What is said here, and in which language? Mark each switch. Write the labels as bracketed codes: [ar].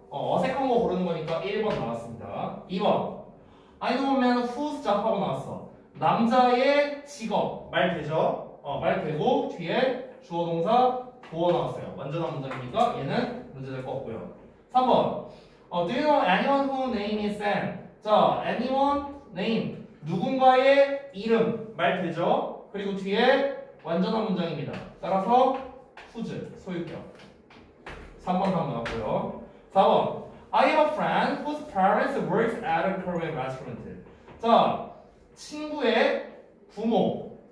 [ko] 어색한 거 고르는 거니까 1번 나왔습니다. 2번. [en] I know a man who's job [ko] 하고 나왔어. 남자의 직업. 말 되죠? 말 되고 뒤에 주어 동사 보어 나왔어요. 완전한 문장이니까 얘는 문제 될 거 없고요. 3번. [en] Do you know anyone whose name is Sam? [ko] 자, [en] anyone name. [ko] 누군가의 이름. 말 되죠? 그리고 뒤에 완전한 문장입니다. 따라서 후즈 소유격. 3번 나왔고요. 4번. [en] I have a friend whose parents work at a Korean restaurant. [ko] 자, 친구의 부모.